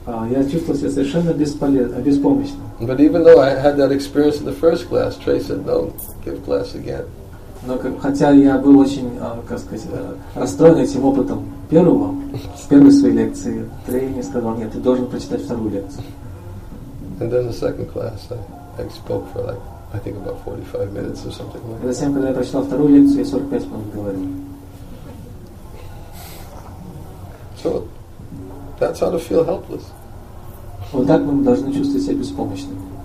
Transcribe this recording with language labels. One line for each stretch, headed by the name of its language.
Russian: Я чувствовал себя совершенно беспомощным.
English: But even though I had that experience in the first class, Trey said, "No, give class again."
Russian: Но хотя я был очень, как сказать, расстроен этим опытом первой своей лекции, Трей мне сказал, "Нет, ты должен прочитать вторую лекцию."
English: And then the second class, I spoke for like, I think about 45 minutes or something like that.
Russian: Затем, когда я прочитал вторую лекцию, я 45 минут говорил.
English: So, that's how to feel helpless.
Russian: Вот так мы должны чувствовать себя беспомощными.